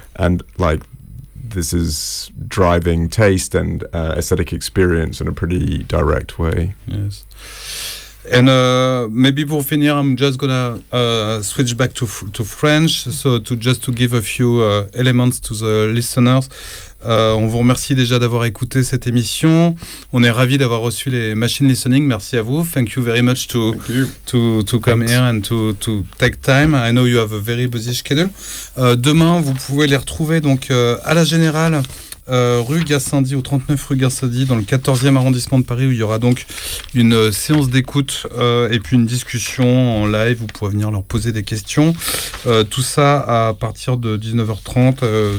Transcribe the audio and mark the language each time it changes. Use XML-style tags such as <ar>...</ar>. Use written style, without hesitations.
<en>And, like, this is driving taste and aesthetic experience in a pretty direct way. Yes. And maybe for finish, I'm just gonna switch back to French, so to just to give a few elements to the listeners.</en> <fr>On vous remercie déjà d'avoir écouté cette émission. On est ravis d'avoir reçu les Machine Listening. Merci à vous.</fr> <en>Thank you very much to come here and to take time. I know you have a very busy schedule.</en> <fr>Demain, vous pouvez les retrouver donc à la Générale. Rue Gassendi, au 39 rue Gassendi, dans le 14e arrondissement de Paris, où il y aura donc une séance d'écoute et puis une discussion en live. Vous pourrez venir leur poser des questions. Tout ça à partir de 19h30.</fr>